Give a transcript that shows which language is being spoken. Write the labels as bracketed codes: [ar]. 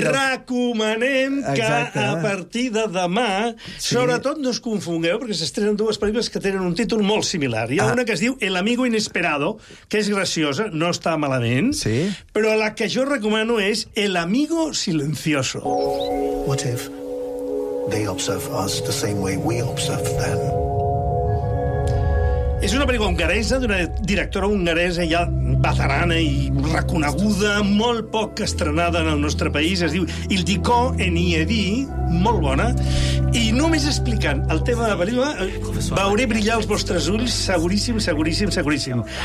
[ca] Del... Recomanem que a partir de demà, sí. Sobretot no us confongueu, perquè s'estrenen dues pel·lícules que tenen un títol molt similar. Hi ha una que es diu El amigo inesperado, que és graciosa, no està malament, sí. Però la que jo recomano és El amigo silencioso. [en] What if they observe us the same way we observe them? [ca] És una pel·lícula hongaresa, d'una directora hongaresa ja veterana i reconeguda, molt poc estrenada en el nostre país. Es diu Il Dico en Iedi, molt bona. I només explicant el tema de pel·lícula, veuré brillar els vostres ulls seguríssim, seguríssim, seguríssim.